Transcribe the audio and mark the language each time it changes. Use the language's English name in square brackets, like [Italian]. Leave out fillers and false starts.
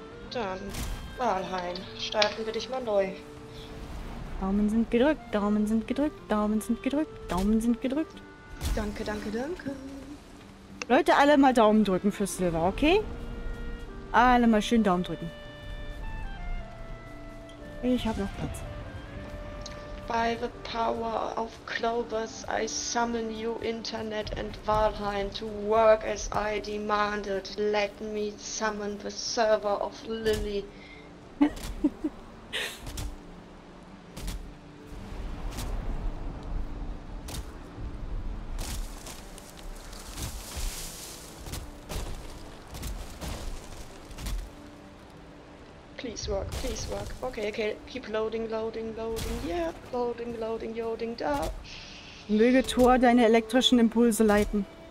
[German] Dann, Valheim, starten wir dich mal neu. Daumen sind gedrückt, Daumen sind gedrückt, Daumen sind gedrückt, Daumen sind gedrückt. Danke, danke, danke. Leute, alle mal Daumen drücken für Silver, okay? Alle mal schön Daumen drücken. Ich hab noch Platz. [English] By the power of Clovis, I summon you, Internet and Valheim, to work as I demanded. Let me summon the server of Lily. Please work. Okay, okay. Keep loading, loading, loading. Yeah, loading, loading, loading. [German] Da. Möge Tor deine elektrischen Impulse leiten.